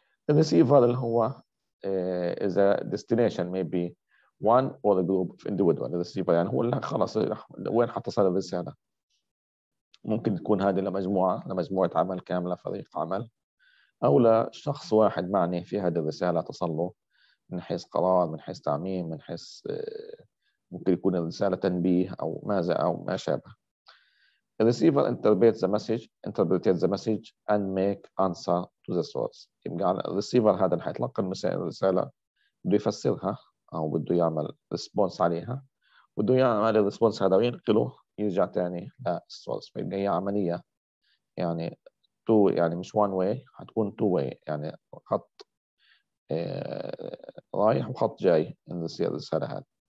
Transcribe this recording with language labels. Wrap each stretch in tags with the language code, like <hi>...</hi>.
<ar>الريسيفر اللي هو</ar> <en>is a destination maybe one or a group of individual.</en> <ar>الريسيفر يعني هو اللي خلاص وين حتصل الرسالة. ممكن تكون هذه لمجموعة عمل كاملة، فريق عمل، أو لشخص واحد معني في هذه الرسالة تصل له، من حيث قرار، من حيث تعميم، من حيث ممكن يكون الرسالة تنبيه أو ماذا أو ما شابه.</ar> <en>The receiver interprets the message and make answer to the source.</en> <ar>يبقى على الريسيفر هذا اللي حيتلقى الرسالة بده يفسرها أو بده يعمل ريسبونس عليها، بده يعمل الريسبونس هذا وينقله يرجع تاني للسورس. فيبقى هي عملية يعني تو، يعني مش one way، هتكون two way، يعني خط رايح وخط جاي الرسالة هذه.</ar>